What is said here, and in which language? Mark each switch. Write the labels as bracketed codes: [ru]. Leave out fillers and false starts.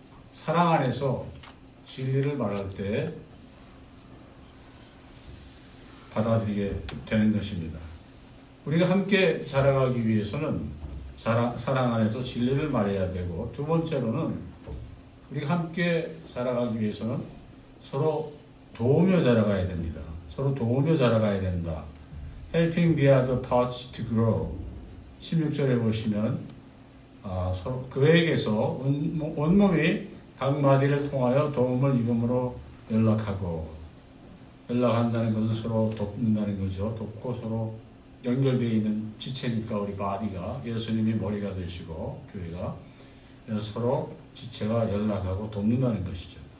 [ko] 사랑 안에서 진리를 말할 때 받아들이게 되는 것입니다. 우리가 함께 자라가기 위해서는 사랑 안에서 진리를 말해야 되고 두 번째로는 우리가 함께 자라가기 위해서는 서로 도우며 자라가야 됩니다. 서로 도우며 자라가야 된다. [en] Helping the other parts to grow. [ko] 16절에 보시면 서로 그에게서 온몸이 각 마디를 통하여 도움을 입음으로 연락하고 연락한다는 것은 서로 돕는다는 거죠. 돕고 서로 연결되어 있는 지체니까 우리 바디가 예수님이 머리가 되시고 교회가 서로 지체가 연락하고 돕는다는 것이죠.